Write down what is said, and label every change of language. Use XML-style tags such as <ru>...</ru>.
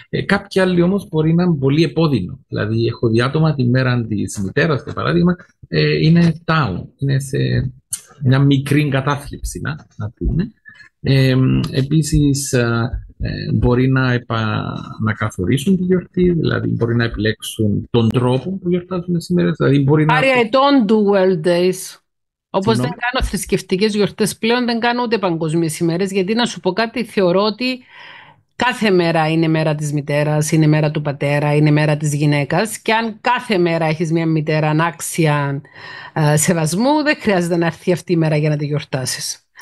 <el>Κάποιοι άλλοι όμως μπορεί να είναι πολύ επώδυνο. Δηλαδή, έχω δει άτομα τη μέρα της μητέρας, για παράδειγμα, είναι down, είναι σε μια μικρή κατάθλιψη, να πούμε. Επίσης, μπορεί να καθορίσουν τη γιορτή, δηλαδή μπορεί να επιλέξουν τον τρόπο που γιορτάζουν σήμερα. Δηλαδή, μπορεί να...</el> <en>Άρα, I don't do world days.</en> <el>Όπως δεν κάνω θρησκευτικές γιορτές πλέον, δεν κάνω ούτε παγκοσμίες ημέρες, γιατί να σου πω κάτι, θεωρώ ότι κάθε μέρα είναι μέρα της μητέρας, είναι μέρα του πατέρα, είναι μέρα της γυναίκας και αν κάθε μέρα έχεις μια μητέρα ανάξια σεβασμού, δεν χρειάζεται να έρθει αυτή η μέρα για να τη γιορτάσεις.</el>